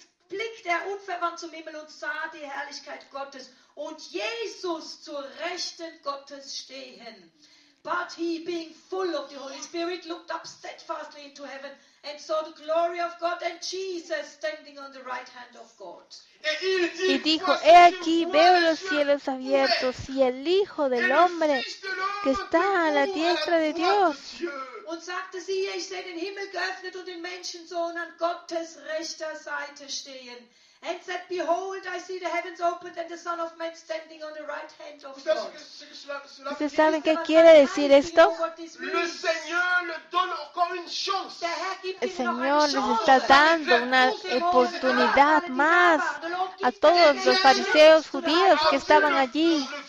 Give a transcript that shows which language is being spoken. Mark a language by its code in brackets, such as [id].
[de] Blickte er unverwandt zum Himmel und sah die Herrlichkeit Gottes und Jesus zur Rechten Gottes stehen. [en] But he, being full of the Holy Spirit, looked up steadfastly into heaven and saw the glory of God and Jesus standing on the right hand of God. [es] Y dijo, he aquí, veo los cielos abiertos y el Hijo del Hombre que está a la diestra de Dios. [de] Und sagte, siehe, ich sehe den Himmel geöffnet und den Menschensohn an Gottes rechter Seite stehen. [en] And said, behold, I see the heavens opened and the Son of Man standing on the right hand of God. [es] ¿Ustedes saben qué quiere decir esto? El Señor les está dando una oportunidad más a todos los fariseos judíos que estaban allí.